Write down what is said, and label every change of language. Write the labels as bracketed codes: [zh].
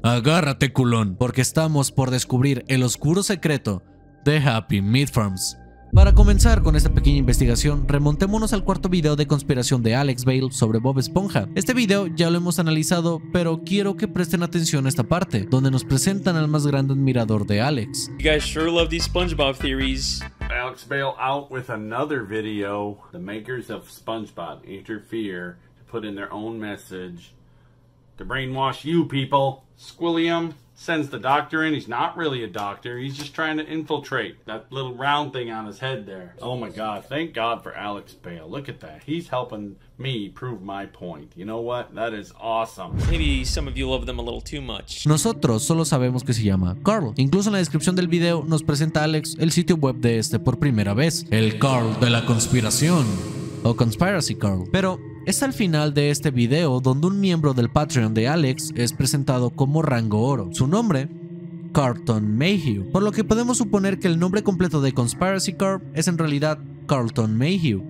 [es] ¡Agárrate, culón! Porque estamos por descubrir el oscuro secreto de Happy Meat Farms. Para comenzar con esta pequeña investigación, remontémonos al cuarto video de conspiración de Alex Vale sobre Bob Esponja. Este video ya lo hemos analizado, pero quiero que presten atención a esta parte, donde nos presentan al más grande admirador de Alex. [en] You guys sure love these SpongeBob theories. Alex Vale out with another video. The makers of SpongeBob interfere to put in their own message to brainwash you people. Squillium sends the doctor in. He's not really a doctor. He's just trying to infiltrate that little round thing on his head there. Oh my God. Thank God for Alex Vale. Look at that. He's helping me prove my point. You know what? That is awesome. Maybe some of you love them a little too much. [es] Nosotros solo sabemos que se llama Carl. Incluso en la descripción del video nos presenta Alex el sitio web de este por primera vez. El Carl de la conspiración. O Conspiracy Carl. Pero es al final de este video donde un miembro del Patreon de Alex es presentado como Rango Oro. Su nombre, Carlton Mayhew. Por lo que podemos suponer que el nombre completo de Conspiracy Corp es en realidad Carlton Mayhew.